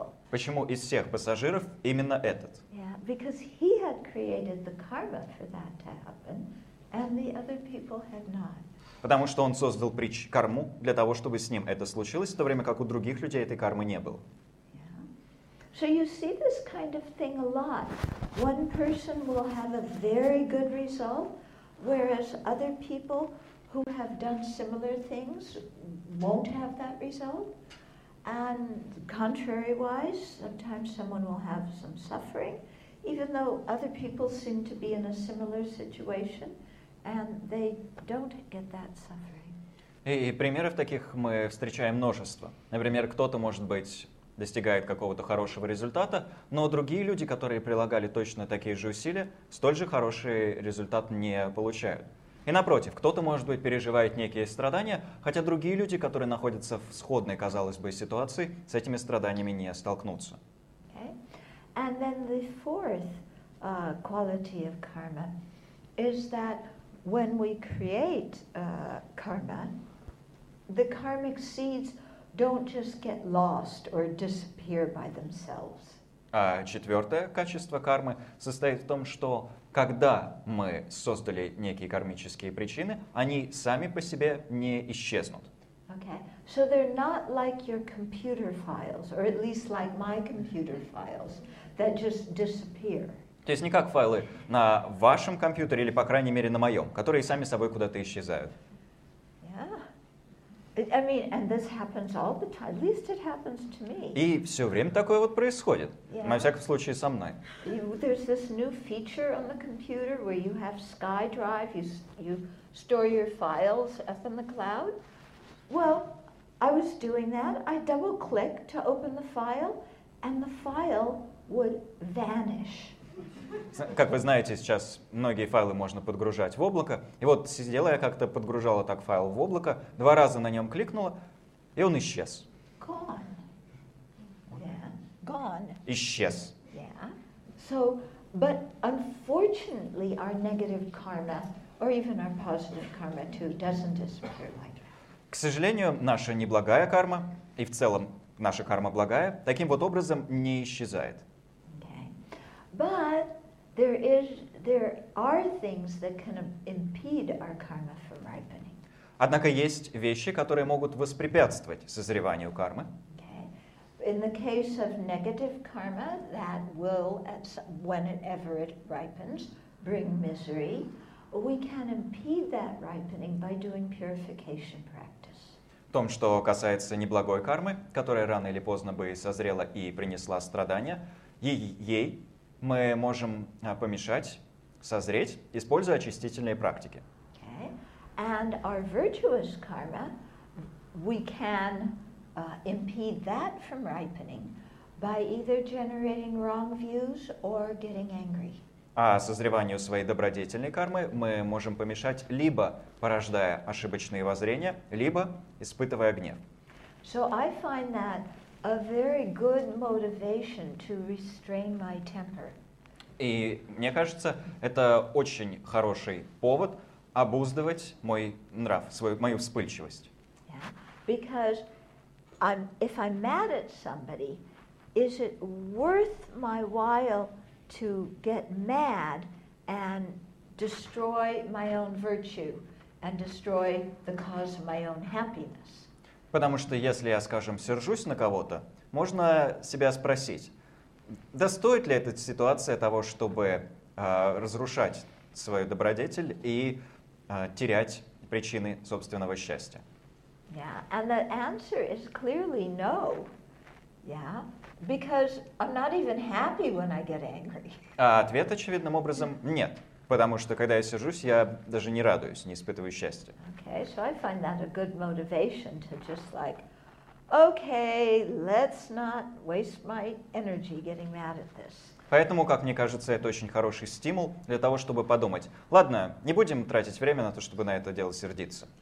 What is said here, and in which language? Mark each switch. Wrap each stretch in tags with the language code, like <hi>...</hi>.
<ru>Почему из всех пассажиров именно этот?</ru> <en>Yeah, because he had created the karma for that to happen, and the other people had not.</en> <ru>Потому что он создал карму для того, чтобы с ним это случилось, в то время как у других людей этой кармы не было.</ru> <en>Yeah. So you see this kind of thing a lot. One person will have a very good result, whereas other people who have done similar things won't have that result. And contrary-wise, sometimes someone will have some suffering, even though other people seem to be in a similar situation, and they don't get that suffering.</en> <ru>И примеров таких мы встречаем множество. Например, кто-то, может быть, достигает какого-то хорошего результата, но другие люди, которые прилагали точно такие же усилия, столь же хороший результат не получают. И напротив, кто-то, может быть, переживает некие страдания, хотя другие люди, которые находятся в сходной, казалось бы, ситуации, с этими страданиями не столкнутся.</ru> <en>Okay. And then the fourth quality of karma is that when we create karma, the karmic seeds don't just get lost or disappear by themselves.</en> <ru>А четвертое качество кармы состоит в том, что когда мы создали некие кармические причины, они сами по себе не исчезнут.</ru> <en>Okay. So they're not like your computer files, or at least like my computer files, that just disappear.</en> <ru>То есть не как файлы на вашем компьютере или, по крайней мере, на моем, которые сами собой куда-то исчезают.</ru> <en>Yeah. I mean, and this happens all the time. At least it happens to me.</en> <ru>И все время такое вот происходит.</ru> <en>Yeah.</en> <ru>На всяком случае, со мной.</ru> <en>There's this new feature on the computer where you have SkyDrive, you store your files up in the cloud. Well, I was doing that. I double-click to open the file, and the file would vanish.</en> <ru>Как вы знаете, сейчас многие файлы можно подгружать в облако. И вот сидела я как-то, подгружала так файл в облако, два раза на нем кликнула, и он исчез.</ru> <en>Gone. Yeah. Gone.</en> <ru>Исчез.</ru> <en>Yeah. So, but unfortunately, our negative karma, or even our positive karma too, doesn't disappear like that.</en> <ru>К сожалению, наша неблагая карма, и в целом наша карма благая, таким вот образом не исчезает.</ru> <en>But there are things that can impede our karma from ripening.</en> <ru>Однако есть вещи, которые могут воспрепятствовать созреванию кармы.</ru> <en>Okay. In the case of negative karma, that will, whenever it ripens, bring misery. We can impede that ripening by doing purification practice.</en> <ru>В том, что касается неблагой кармы, которая рано или поздно бы созрела и принесла страдания, ей мы можем помешать созреть, используя очистительные практики.</ru> <en>Okay. And our virtuous karma, we can impede that from ripening by either generating wrong views or getting angry.</en> <ru>А созреванию своей добродетельной кармы мы можем помешать либо порождая ошибочные воззрения, либо испытывая гнев.</ru> <en>So I find that a very good motivation to restrain my temper.</en> <ru>И мне кажется, это очень хороший повод обуздывать мой нрав, мою вспыльчивость.</ru> <en>Yeah. Because if I'm mad at somebody, is it worth my while to get mad and destroy my own virtue and destroy the cause of my own happiness?</en> <ru>Потому что если я, скажем, сержусь на кого-то, можно себя спросить, достоит ли эта ситуация того, чтобы разрушать свою добродетель и терять причины собственного счастья?</ru> <en>Yeah, and the answer is clearly no. Yeah, because I'm not even happy when I get angry.</en> <ru>А ответ очевидным образом нет, потому что когда я сержусь, я даже не радуюсь, не испытываю счастья.</ru> <en>Okay, so I find that a good motivation to just like, okay, let's not waste my energy getting mad at this.</en> <ru>Поэтому, как мне кажется, это очень хороший стимул для того, чтобы подумать. Ладно, не будем тратить время на то, чтобы на это дело сердиться.</ru>